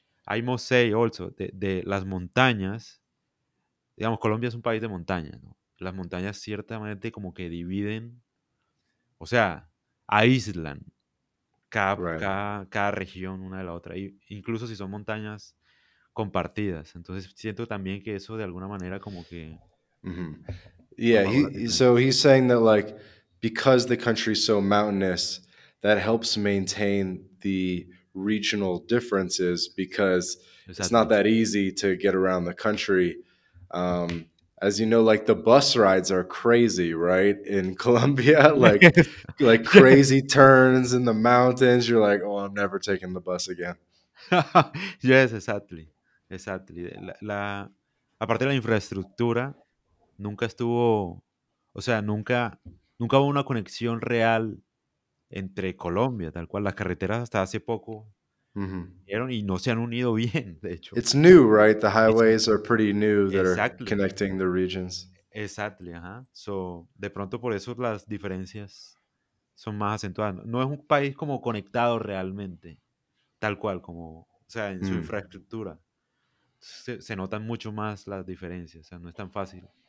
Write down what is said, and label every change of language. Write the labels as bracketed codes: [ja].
[en] I must say also, [es] de las montañas, digamos, Colombia es un país de montañas, ¿no? Las montañas ciertamente como que dividen, o sea, aíslan cada, right, cada región una de la otra, incluso si son montañas compartidas. Entonces siento también que eso de alguna manera como que... Mm-hmm. [en] Yeah, so he's saying that like, because the country is so mountainous, that helps maintain the regional differences because it's not that easy to get around the country. As you know, like the bus rides are crazy, right? In Colombia, like crazy turns in the mountains. You're like, oh, I'm never taking the bus again. Yes, exactly. Exactly. [es] Aparte de la infraestructura, nunca estuvo, o sea, nunca hubo una conexión real entre Colombia, tal cual. Las carreteras hasta hace poco vieron y no se han unido bien, de hecho. [en] It's new, right? The highways are pretty new that exactly are connecting the regions. Exactly, ajá. [es] So, de pronto por eso las diferencias son más acentuadas. No es un país como conectado realmente, tal cual, como, o sea, en su infraestructura. Se notan mucho más las diferencias, o sea, no es tan fácil.